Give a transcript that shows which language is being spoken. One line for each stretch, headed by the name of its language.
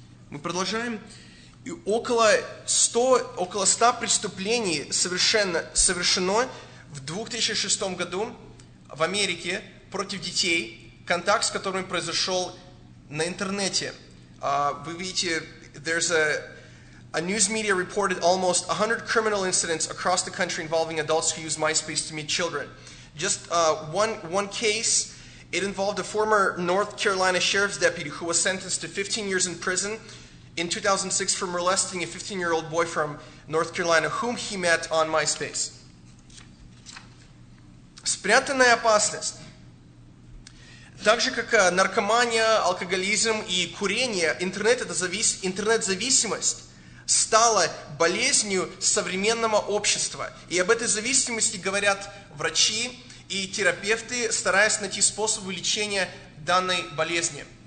Russian: Мы продолжаем. И около 100 преступлений совершено в 2006 году в Америке против детей, контакт с которыми произошел на интернете. Вы видите,
English: there's a news media reported almost 100 criminal incidents across the country involving adults who use MySpace to meet children. Just one case, it involved a former North Carolina sheriff's deputy who was sentenced to 15 years in prison in 2006 for molesting a 15-year-old boy from North Carolina whom he met on MySpace.
Russian: Спрятанная опасность. Так же, как наркомания, алкоголизм и курение, интернет-зависимость стала болезнью современного общества. И об этой зависимости говорят врачи и терапевты, стараясь найти способы лечения данной болезни.